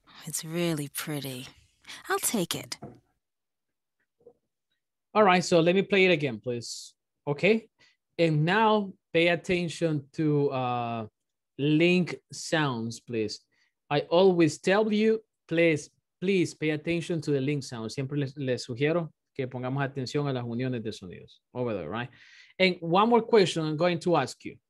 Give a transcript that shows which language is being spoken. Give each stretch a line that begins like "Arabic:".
English: It's really pretty. I'll take it. All right, so let me play it again, please. Okay? And now pay attention to link sounds, please. I always tell you, please, please pay attention to the link sounds.
Spanish: Siempre les sugiero que pongamos atención a las uniones de sonidos.
English: Over there, right? And one more question I'm going to ask you.